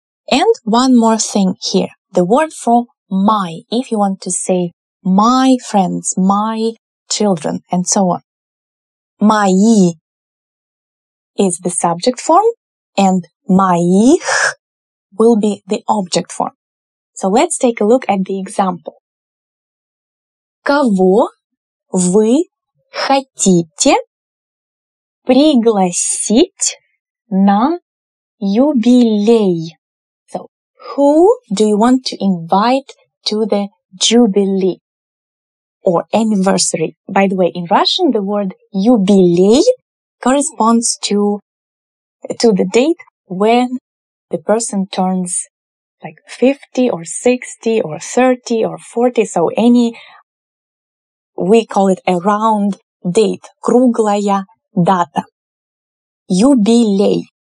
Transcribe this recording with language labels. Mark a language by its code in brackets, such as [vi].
[en] And one more thing here. The word for my, if you want to say my friends, my children, and so on. Мои is the subject form, and моих will be the object form. So let's take a look at the example. [ru] Кого вы хотите пригласить на юбилей? [en] So, who do you want to invite to the jubilee or anniversary? By the way, in Russian, the word юбилей corresponds to the date when the person turns like 50 or 60 or 30 or 40, so any, we call it a round date, [ru] круглая дата, [en] юбилей.